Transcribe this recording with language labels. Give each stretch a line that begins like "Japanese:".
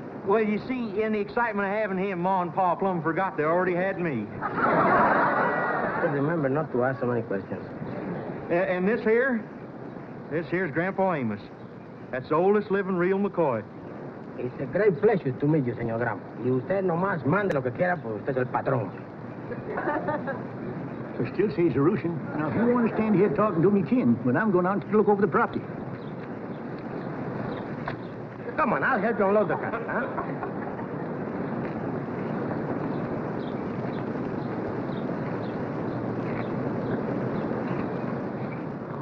English: Well, you see, in the excitement of having him, Ma and Pa plumb forgot they already had me. Remember not to ask so many questions. And this here's Grandpa Amos. That's the oldest living real McCoy. It's a great pleasure to meet you, Señor Grandpa.
Spanish: Y usted nomás mande lo que quiera, pues usted es el patrón.
English: So still say he's a Russian. Now, if you want to stand here talking, do me kin, when I'm going out to look over the property. Come on, I'll help you unload the car, huh?